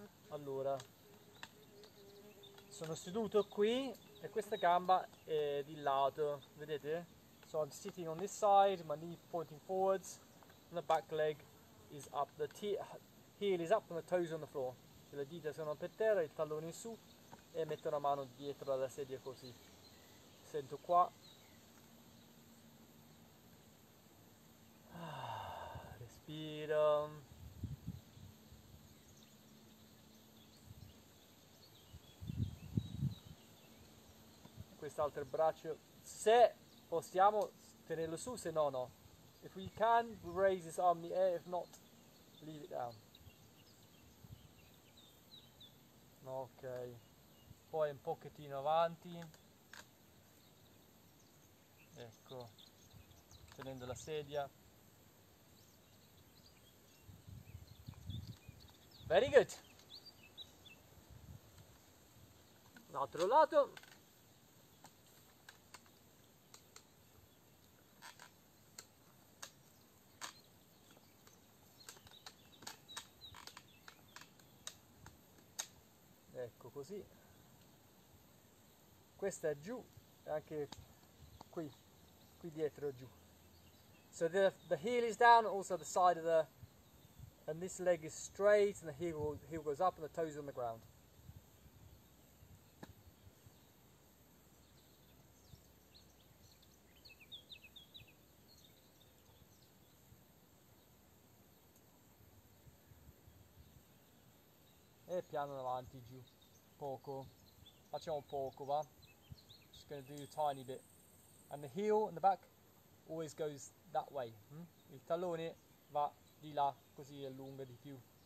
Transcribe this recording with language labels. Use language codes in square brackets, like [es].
[it] Allora, sono seduto qui e questa gamba è di lato, vedete? [en] So I'm sitting on this side, my knee pointing forwards, and the back leg is up, the heel is up and the toes on the floor. [it] Le dita sono per terra, il tallone in su. e metto una mano dietro alla sedia così. Sento qua. Respiro. Quest'altro braccio, se possiamo tenerlo su, se no no. [en] If we can, raise this arm in the air, if not, leave it down. [it] Ok, poi un pochettino avanti, ecco, tenendo la sedia. [en] Very good. [it] L'altro lato. Ecco così, questa è giù, anche qui, qui dietro giù. [en] So the heel is down, also the side of the, and this leg is straight and the heel goes up and the toes on the ground. [it] E piano avanti giù. Poco, facciamo poco, va? [en] Just gonna do a tiny bit. And the heel in the back always goes that way. [it] Il tallone va di là, così allunga di più.